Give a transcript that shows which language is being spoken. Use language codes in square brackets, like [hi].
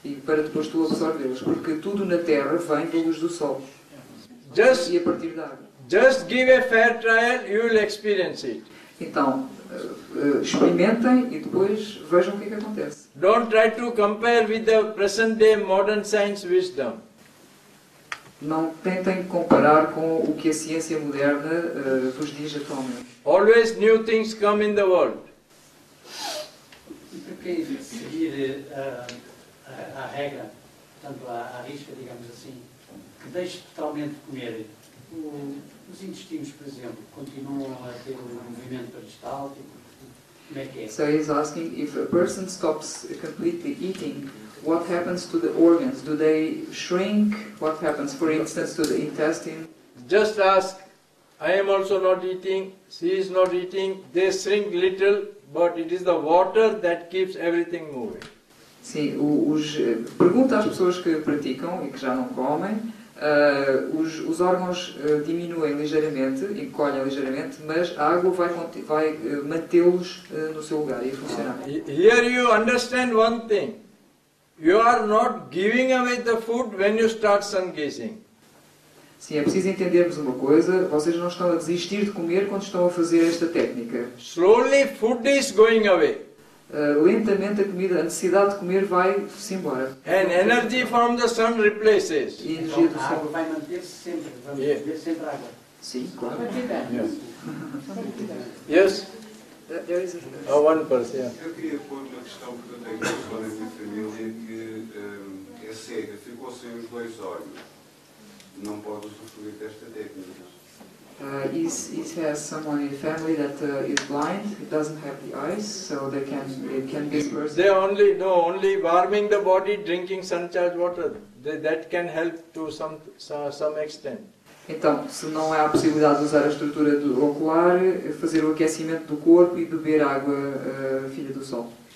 [pt] E para depois tu absorvê-los, porque tudo na Terra vem da luz do sol. [en] Just, [pt] e a partir da água. [en] Just give a fair trial, you will experience it. [pt] Então, experimentem e depois vejam o que é que acontece. [en] Don't try to compare with the present day modern science wisdom. [pt] Não tentem comparar com o que a ciência moderna vos diz atualmente. [en] Always new things come in the world. [pt] E para quem seguir a regra, portanto, a risca, digamos assim, que deixe totalmente de comer. Os intestinos, por exemplo, continuam a ter um movimento peristáltico? Como é que é? [en] So he's asking if a person stops completely eating, what happens to the organs? Do they shrink? What happens, for instance, to the intestine? Just ask, I am also not eating, she is not eating, they shrink little, but it is the water that keeps everything moving. [pt] Sim, pergunta às pessoas que praticam e que já não comem, os órgãos diminuem ligeiramente, encolhem ligeiramente, mas a água vai mantê-los no seu lugar e funcionar. [en] Here you understand one thing. You are not giving away the food when you start sun gazing. [pt] Sim, é preciso entendermos uma coisa. Vocês não estão a desistir de comer quando estão a fazer esta técnica. [en] Slowly food is going away. [pt] Lentamente a comida, a necessidade de comer vai-se embora. [en] And energy from the sun replaces. [pt] E a energia do sol vai manter-se sempre. Vamos beber sempre água. Sim, claro. [en] Yes. Yes. There is a one person, yeah. [pt] Eu queria pôr uma questão que eu tenho com a senhora da minha família, que é cega, ficou sem os dois olhos. Não pode usufruir desta técnica. [en] It has someone in the family that is blind, it doesn't have the eyes, so they can disperse. They only only warming the body, drinking sun charged water. That can help to some extent. [pt] Então, se não há a possibilidade de usar a estrutura do ocular, fazer o aquecimento do corpo e beber água filha do sol.